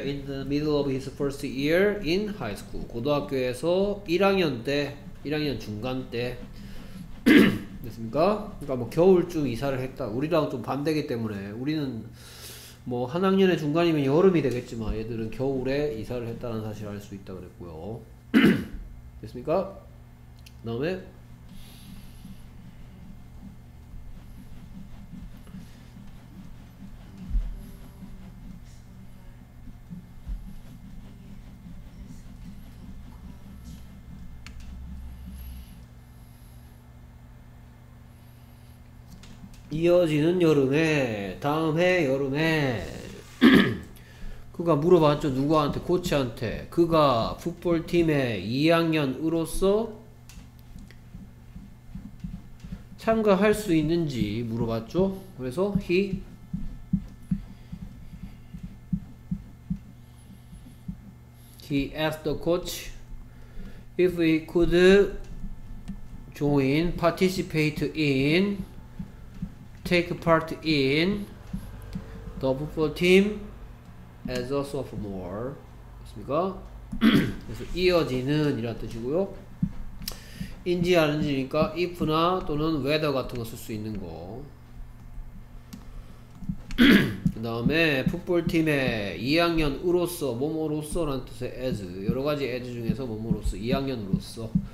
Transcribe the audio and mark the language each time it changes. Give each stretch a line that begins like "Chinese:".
English: in the middle of his first year in high school.
Korean: 고등학교에서 1학년 때, 1학년 중간 때 됐습니까? 그러니까 뭐 겨울쯤 이사를 했다. 우리랑 좀 반대기 때문에 우리는 뭐 한 학년의 중간이면 여름이 되겠지만 얘들은 겨울에 이사를 했다는 사실을 알 수 있다 그랬고요. 됐습니까? 그 다음에 이어지는 여름에, 다음 해 여름에 그가 물어봤죠. 누구한테? 코치한테. 그가 풋볼팀의 2학년으로서 참가할 수 있는지 물어봤죠. 그래서
English: he asked the coach if he could join, participate in, take part in the football team as a sophomore.
Korean: 됐습니까? 그래서 이어지는 이란 뜻이고요. 인지 아닌지니까 if나 또는 whether 같은 거 쓸 수 있는 거. 그 다음에 football team의 2학년으로서 뭐뭐로서라는 뜻의 as, 여러 가지 as 중에서 뭐뭐로서 2학년으로서.